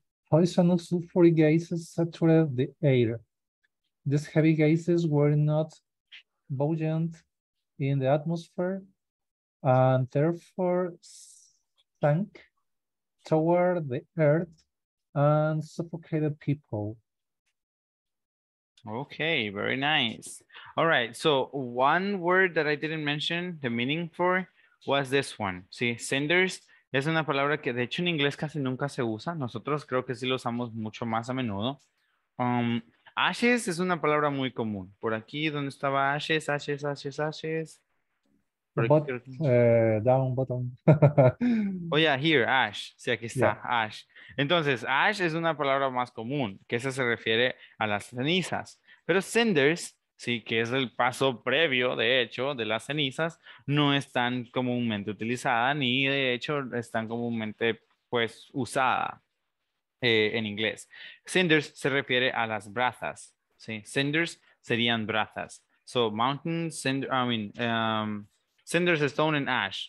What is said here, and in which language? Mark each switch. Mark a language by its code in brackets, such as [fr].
[en] Poisonous sulfuric gases saturated the air. These heavy gases were not buoyant in the atmosphere and therefore sank toward the earth and suffocated people. Okay, very nice. All right, so one word that I didn't mention the meaning for was this one. [es] See, cinders es una palabra que de hecho en inglés casi nunca se usa. Nosotros creo que sí lo usamos mucho más a menudo. Ashes es una palabra muy común. Por aquí, ¿dónde estaba ashes? [en] Ashes, ashes, ashes. Down bottom. Oh yeah, here, ash. [es] Sí, aquí está, [en] yeah. Ash. [es] Entonces, ash es una palabra más común, que se refiere a las cenizas. Pero cinders, sí, que es el paso previo, de hecho, de las cenizas, no es tan comúnmente utilizada, ni de hecho es tan comúnmente, pues, usada en inglés. Cinders se refiere a las brasas, sí. Cinders serían brasas. [en] So, mountain, cinder, I mean, cinders, stone, and ash.